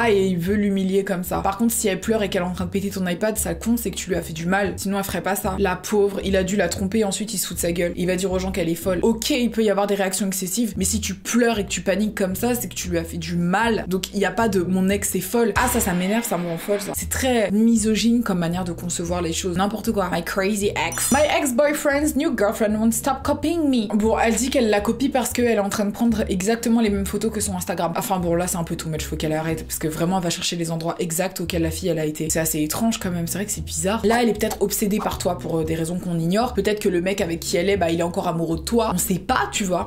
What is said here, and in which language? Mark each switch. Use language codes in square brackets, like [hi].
[fr] Ah, et il veut l'humilier comme ça. Par contre, si elle pleure et qu'elle est en train de péter ton iPad, ça compte, c'est que tu lui as fait du mal. Sinon, elle ferait pas ça. La pauvre, il a dû la tromper et ensuite il se fout de sa gueule. Il va dire aux gens qu'elle est folle. Ok, il peut y avoir des réactions excessives, mais si tu pleures et que tu paniques comme ça, c'est que tu lui as fait du mal. Donc il n'y a pas de mon ex est folle. Ah, ça m'énerve, ça me rend folle. Ça. C'est très misogyne comme manière de concevoir les choses. N'importe quoi. [en] My crazy ex. My ex-boyfriend's new girlfriend won't stop copying me. [fr] Bon, elle dit qu'elle la copie parce qu'elle est en train de prendre exactement les mêmes photos que son Instagram. Enfin bon, là c'est un peu too much, faut qu'elle arrête parce que vraiment elle va chercher les endroits exacts auxquels la fille elle a été. C'est assez étrange quand même, c'est vrai que c'est bizarre. Là elle est peut-être obsédée par toi pour des raisons qu'on ignore. Peut-être que le mec avec qui elle est, bah il est encore amoureux de toi. On sait pas, tu vois.